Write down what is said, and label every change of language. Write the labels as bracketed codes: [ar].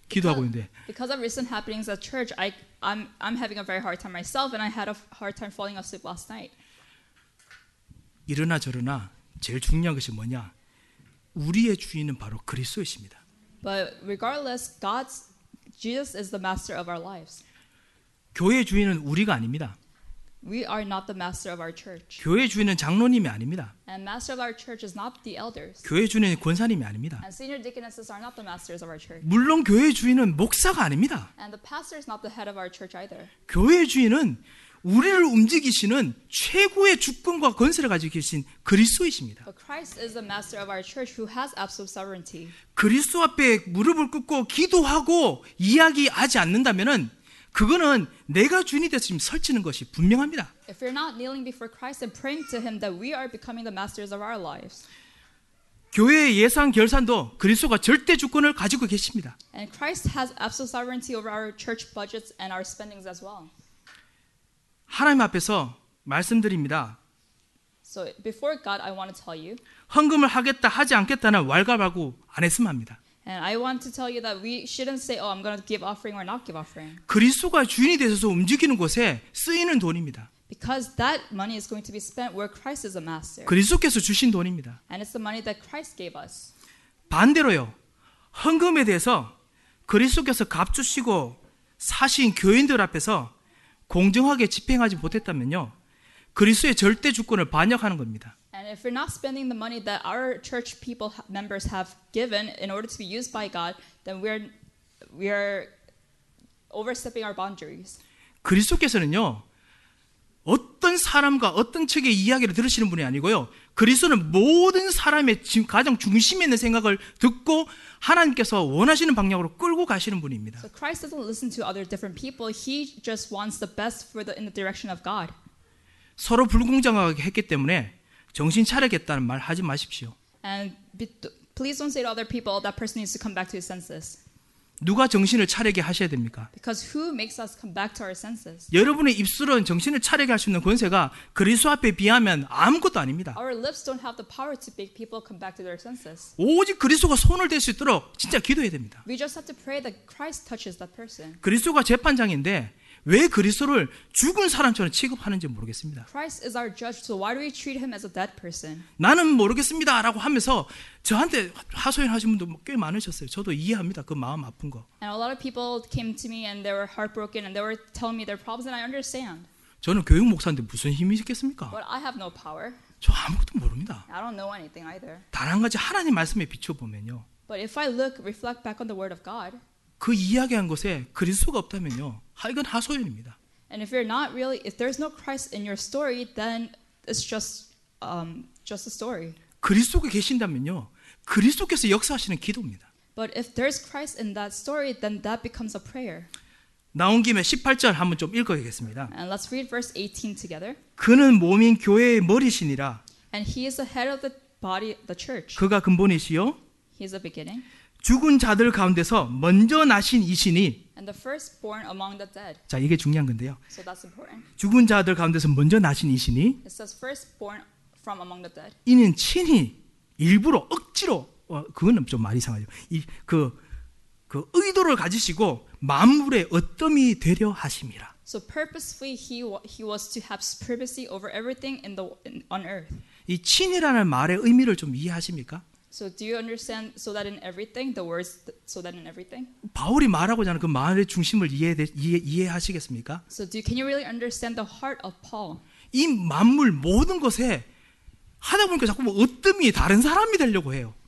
[ko] 기도하고 있는데. [en] Because of recent happenings at church, I'm having a very hard time myself and I had a hard time falling asleep last night. [ko] 이러나 저러나 제일 중요한 것이 뭐냐? 우리의 주인은 바로 그리스도이십니다. [en] But regardless, Jesus is the master of our lives. [ko] 교회의 주인은 우리가 아닙니다. [en] We are not the master of our church. [ko] 교회 주인은 장로님이 아닙니다. [en] And master of our church is not the elders. [ko] 교회 주인은 권사님이 아닙니다. [en] And senior deaconesses are not the masters of our church. [ko] 물론 교회 주인은 목사가 아닙니다. [en] And the pastor is not the head of our church either. [ko] 교회 주인은 우리를 움직이시는 최고의 주권과 권세를 가지고 계신 그리스도이십니다. [en] But Christ is the master of our church who has absolute sovereignty. [ko] 그리스도 앞에 무릎을 꿇고 기도하고 이야기하지 않는다면은 그거는 내가 주인이 돼서 지금 설치는 것이 분명합니다. [en] If you're not kneeling before Christ and praying to Him, that we are becoming the masters of our lives. [ko] 교회의 예산 결산도 그리스도가 절대 주권을 가지고 계십니다. [en] And Christ has absolute sovereignty over our church budgets and our spendings as well. [ko] 하나님 앞에서 말씀드립니다. [en] So before God, I want to tell you. [ko] 헌금을 하겠다 하지 않겠다는 왈가왈부 안 했으면 합니다. [en] And I want to tell you that we shouldn't say, "Oh, I'm going to give offering or not give offering." [ko] 그리스도가 주인이 되셔서 움직이는 곳에 쓰이는 돈입니다. [en] Because that money is going to be spent where Christ is a master. [ko] 그리스도께서 주신 돈입니다. [en] And it's the money that Christ gave us. [ko] 반대로요, 헌금에 대해서 그리스도께서 값 주시고 사신 교인들 앞에서 공정하게 집행하지 못했다면요, 그리스도의 절대 주권을 반역하는 겁니다. [en] And if you're not spending the money that our church people members have given in order to be used by God, then we are overstepping our boundaries. [ko] 그리스도께서는요 어떤 사람과 어떤 측의 이야기를 들으시는 분이 아니고요. 그리스도는 모든 사람의 지금 가장 중심에 있는 생각을 듣고 하나님께서 원하시는 방향으로 끌고 가시는 분입니다. [en] So Christ doesn't listen to other different people. He just wants the best in the direction of God. [ko] 서로 불공정하게 했기 때문에. 정신 차리겠다는 말 하지 마십시오. [en] And please don't say to other people that person needs to come back to his senses. [ko] 누가 정신을 차리게 하셔야 됩니까? [en] Because who makes us come back to our senses? [ko] 여러분의 입술은 정신을 차리게 할 수 있는 권세가 그리스도 앞에 비하면 아무것도 아닙니다. [en] Our lips don't have the power to make people come back to their senses. [ko] 오직 그리스도가 손을 댈 수 있도록 진짜 기도해야 됩니다. [en] We just have to pray that Christ touches that person. [ko] 그리스도가 재판장인데 왜 그리스도를 죽은 사람처럼 취급하는지 모르겠습니다. [en] Christ is our judge, so why do we treat him as a dead person? [ko] 나는 모르겠습니다라고 하면서 저한테 하소연하신 분도 꽤 많으셨어요. 저도 이해합니다. 그 마음 아픈 거. [en] And a lot of people came to me and they were heartbroken and they were telling me their problems and I understand. [ko] 저는 교육 목사인데 무슨 힘이 있겠습니까? [en] But I have no power. [ko] 저 아무것도 모릅니다. [en] I don't know anything either. [ko] 단 한 가지 하나님 말씀에 비춰 보면요. [en] But if I look reflect back on the word of God, [ko] 그 이야기한 것에 그리스도가 없다면요. 이건 하소연입니다. [en] And if you're not really if there's no Christ in your story, then it's just just a story. [ko] 그리스도가 계신다면요. 그리스도께서 역사하시는 기도입니다. [en] But if there's Christ in that story, then that becomes a prayer. [ko] 나온 김에 18절 한번 좀 읽어보겠습니다. [en] And let's read verse 18 together. [ko] 그는 몸인 교회의 머리시니라. [en] And he is the head of the body, the church. [ko] 그가 근본이시요. [en] He is the beginning. [ko] 죽은 자들 가운데서 먼저 나신 이시니. [en] And the firstborn among the dead. [ko] 자, 이게 중요한 건데요. [en] So that's important. [ko] 죽은 자들 가운데서 먼저 나신 이시니. [en] It says firstborn from among the dead. [ko] 이는 친히 일부러 억지로 그거는 좀 말이 이상하죠. 이 그 의도를 가지시고 만물의 어떠미 되려 하심이라. [en] So purposefully he was to have supremacy over everything in the on earth. [ko] 이 친이라는 말의 의미를 좀 이해하십니까? [en] So do you understand so that in everything the words so that in everything? [ko] 바울이 말하고자 하는 그 말의 중심을 이해하시겠습니까? [en] So do you, can you really understand the heart of Paul? [ko] 이 만물 모든 것에 하다 보니까 자꾸 뭐 어떠미 다른 사람이 되려고 해요.